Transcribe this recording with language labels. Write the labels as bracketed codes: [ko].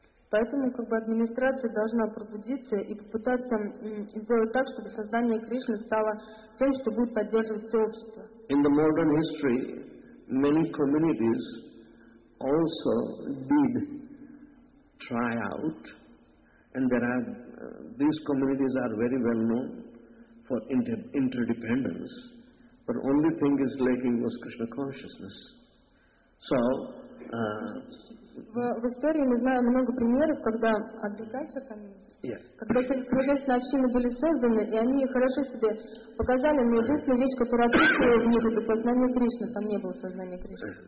[ru] Поэтому как бы администрация должна пробудиться и попытаться сделать так, чтобы создание Кришны стало тем, что будет поддерживать все общество. [en] In the modern history, many communities also did try out, and there are these communities are very well known for interdependence, but only thing is lacking was Krishna consciousness. So [ru] в истории мы знаем много примеров, когда агрикальчер коммунизм, когда общины были созданы, и они хорошо себе показали, но единственная вещь, которая отличила в них, это сознание Кришны, там не было сознания Кришны.